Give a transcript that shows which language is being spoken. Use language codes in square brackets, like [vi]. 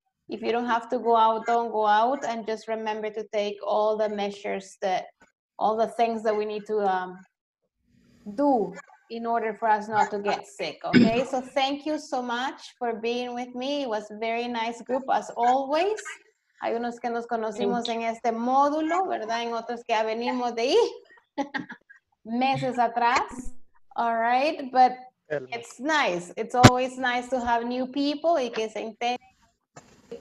[en] If you don't have to go out, don't go out. And just remember to take all the measures that, all the things that we need to do in order for us not to get sick. Okay, so thank you so much for being with me. It was a very nice group as always. [es] Hay unos que nos conocimos en este módulo, ¿verdad? En otros que ya venimos de ahí meses atrás. [en] All right, but it's nice. It's always nice to have new people [es] y que se integren.